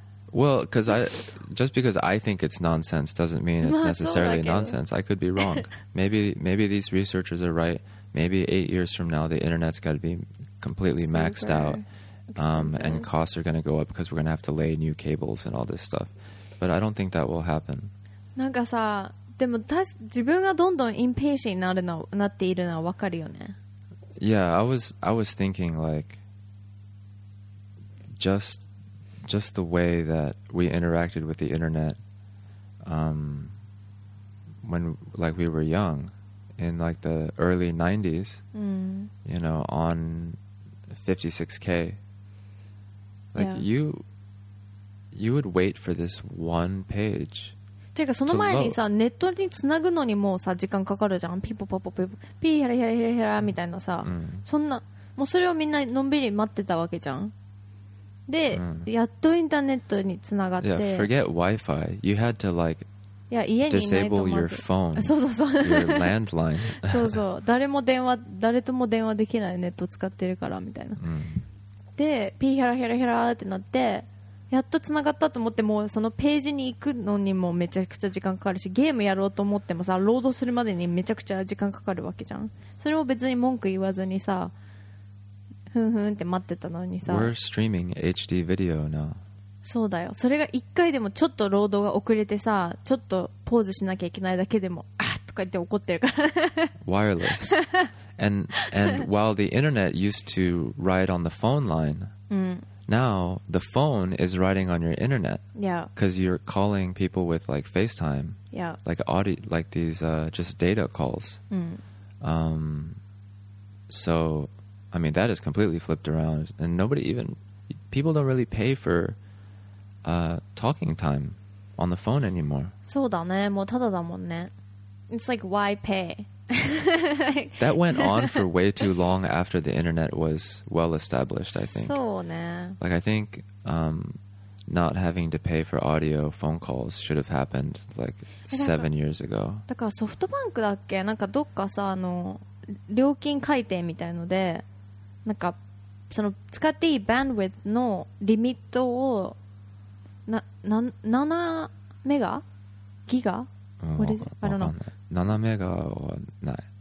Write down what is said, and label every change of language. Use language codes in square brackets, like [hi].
[en] Well, because I think it's nonsense doesn't mean it's necessarily nonsense. I could be wrong. Maybe these researchers are right. Maybe 8 years from now, the internet's got to be completely maxed out. And costs are going to go up because we're going to have to lay new cables and all this stuff. But I don't think that will happen. [ja] なんかさ、でも自分がどんどんインペーシーになるのなっているのはわかるよね。 [en] Yeah, I was thinking like just the way that we interacted with the internet when like we were young in like the early 90s,、 mm. you know, on 56K. Like、 yeah. you would wait for this one page. [ja] っていうかその前にさネットにつなぐのにもうさ時間かかるじゃんピポポポピポピーヘラヘラヘラヘラみたいなさ、うん、そんなもうそれをみんなのんびり待ってたわけじゃんで、うん、やっとインターネットにつながって [en] yeah, forget Wi-Fi you had to like [ja] いや家にいないと [en] disable your phone [ja] そうそうそう [en] your landline [ja] そうそう誰とも電話できないネット使ってるからみたいな、うん、でピーヘラヘラヘラってなってやっとつながったと思ってもうそのページに行くのにもめちゃくちゃ時間かかるしゲームやろうと思ってもさロードするまでにめちゃくちゃ時間かかるわけじゃんそれも別に文句言わずにさふんふんって待ってたのにさ [en] We're streaming HD video now [ja] そうだよそれが一回でもちょっとロードが遅れてさちょっとポーズしなきゃいけないだけでもあっとか言って怒ってるから [en] Wireless and while the internet used to ride on the phone line うん Now, the phone is riding on your internet. Yeah. Because you're calling people with like FaceTime. Yeah. Like audio, like these just data calls. Mm. So, I mean, that is completely flipped around. And nobody even, people don't really pay for talking time on the phone anymore. [ja] そうだね。もうただだもんね。 [en] It's like, why pay? That went on for way too long after the internet was well established, I think. [ja] そうね。 [en] Like, I think not having to pay for audio phone calls should have happened like 7 years ago. [ja] だからソフトバンクだっけ?なんかどっかさ、料金改定みたいので、なんかその使っていいバンドウィッドのリミットを7メガ? ギガ? [en] What is it? I don't know. [ja] 7メガはない